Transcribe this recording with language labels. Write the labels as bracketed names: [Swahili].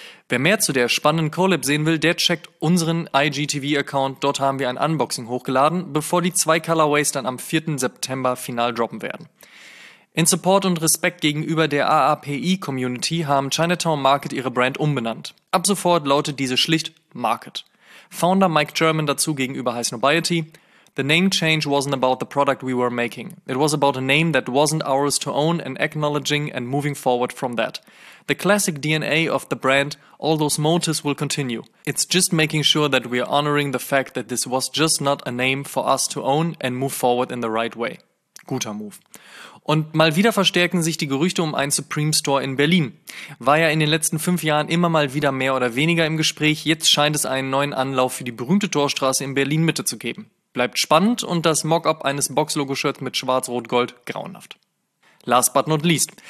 [German] Wer mehr zu der spannenden Collab sehen will, der checkt unseren IGTV-Account. Dort haben wir ein Unboxing hochgeladen, bevor die 2 Colorways dann am 4. September final droppen werden. In Support und Respekt gegenüber der AAPI-Community haben Chinatown Market ihre Brand umbenannt. Ab sofort lautet diese schlicht Market. [English] Founder Mike German [German] dazu gegenüber heißt [English] Nobiety: "The name change wasn't about the product we were making. It was about a name that wasn't ours to own and acknowledging and moving forward from that. The classic DNA of the brand, all those motives will continue. It's just making sure that we are honoring the fact that this was just not a name for us to own and move forward in the right way." [German] Guter Move. Und mal wieder verstärken sich die Gerüchte um einen Supreme Store in Berlin. War ja in den letzten 5 Jahren immer mal wieder mehr oder weniger im Gespräch, jetzt scheint es einen neuen Anlauf für die berühmte Torstraße in Berlin-Mitte zu geben. Bleibt spannend und das Mockup eines Box-Logo-Shirts mit Schwarz-Rot-Gold grauenhaft. [English] Last but not least.